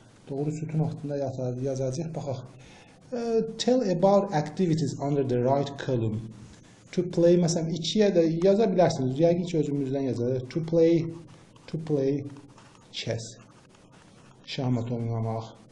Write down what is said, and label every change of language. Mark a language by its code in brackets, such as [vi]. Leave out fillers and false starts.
[az] Doğru sütun altında yazacaq, baxaq. [en] Tell about activities under the right column. To play, [az] məsələn, ikiyə də yaza bilərsiniz. Yəqin ki, özümüzdən yazacaq. [en] To play chess. [az] Şahmat oynamaq.